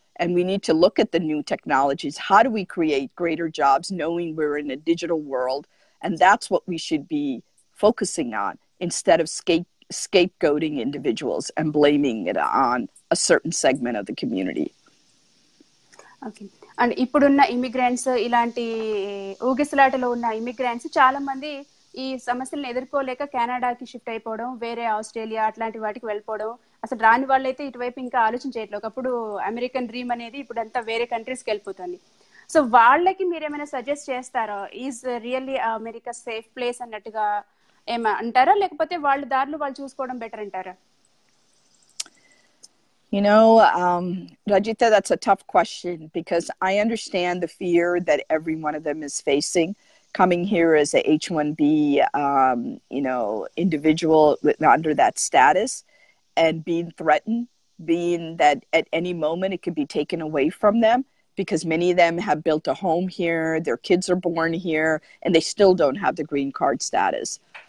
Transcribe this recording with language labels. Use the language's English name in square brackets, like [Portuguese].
[English] And we need to look at the new technologies. How do we create greater jobs knowing we're in a digital world? And that's what we should be focusing on instead of scapegoating individuals and blaming it on a certain segment of the community. Okay. [Telugu] And ఇప్పుడున్న ఇమిగ్రాంట్స్, ఇలాంటి ఊగిసలాటలో ఉన్న ఇమిగ్రాంట్స్ చాలా మంది ఈ సమస్యలను ఎదుర్కోలేక కెనడాకి shift అయిపోవడం, వేరే ఆస్ట్రేలియా అట్లాంటి వాటికి వెళ్ళిపోవడం, అసలు రాని వాళ్ళు అయితే ఇటువైపు ఇంకా ఆలోచించేయట్లేదు. ఒకప్పుడు అమెరికన్ డ్రీమ్ అనేది ఇప్పుడు అంతా వేరే కంట్రీస్కి వెళ్ళిపోతుంది. సో వాళ్ళకి మీరు ఏమైనా సజెస్ట్ చేస్తారో, [English] is really America safe place [Telugu] అన్నట్టుగా ఏమైనా అంటారా, లేకపోతే వాళ్ళ దారులు వాళ్ళు చూసుకోవడం బెటర్ అంటారా? [English] You know, Rajita, that's a tough question because I understand the fear that every one of them is facing coming here as a H-1B, individual under that status and being threatened, being that at any moment it could be taken away from them because many of them have built a home here, their kids are born here, and they still don't have the green card status.